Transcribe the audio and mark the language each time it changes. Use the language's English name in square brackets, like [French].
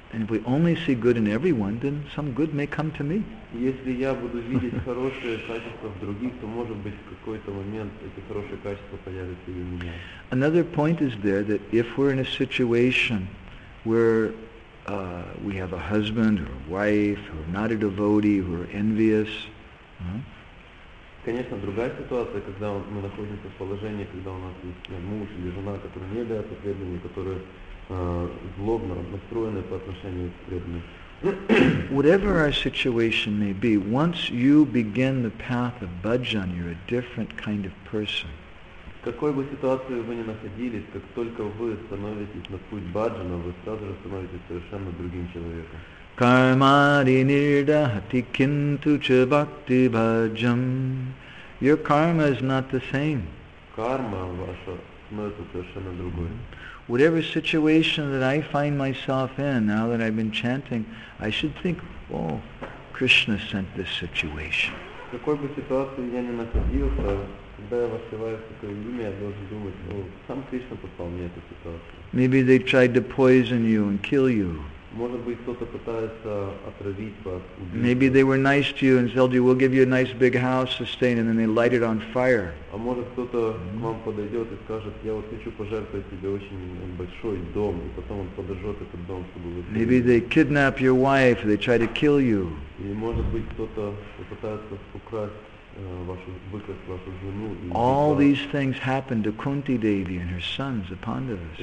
[English] And if we only see good in everyone, then some good may come to me. [Russian] Если я буду видеть хорошие качества в других, то может быть в какой-то момент эти хорошие качества появятся и у меня. [English] Another point is there that if we're in a situation where we have a husband or a wife who are not a devotee, who are envious. [Russian] Конечно, другая ситуация, когда мы находимся в положении, когда у нас есть муж или жена, которые не являются преданными, которые злобно настроены по отношению к преданным. [English] Whatever our situation may be, once you begin the path of bhajan, you're a different kind of person. [Russian] какой бы ситуации вы ни находились, как только вы становитесь на путь баджана, вы сразу же становитесь совершенно другим человеком. [Sanskrit] Кармари нирдахати кинту ча бхакти баджам. [English] Your karma is not the same. [Russian] Карма ваша становится совершенно другой. [English] Whatever situation that I find myself in, now that I've been chanting, I should think, oh, Krishna sent this situation. [Russian] Какой бы ситуации я ни находился, когда я воспеваю такое имя, я должен думать, ну, сам Кришна послал мне эту ситуацию. [English] Maybe they tried to poison you and kill you. [Russian] Может быть, кто-то пытается отравить вас, убить. [English] Maybe they were nice to you and told you, we'll give you a nice big house to stay in, and then they light it on fire. [Russian] А может, кто-то к вам подойдет и скажет, я вот хочу пожертвовать тебе очень большой дом, и потом он подожжет этот дом, чтобы вы... [English] Maybe they kidnap your wife, they try to kill you. [Russian] И может быть, кто-то пытается украсть... Вашу жену, [English] all these things happened to Kunti Devi and her sons, the Pandavas.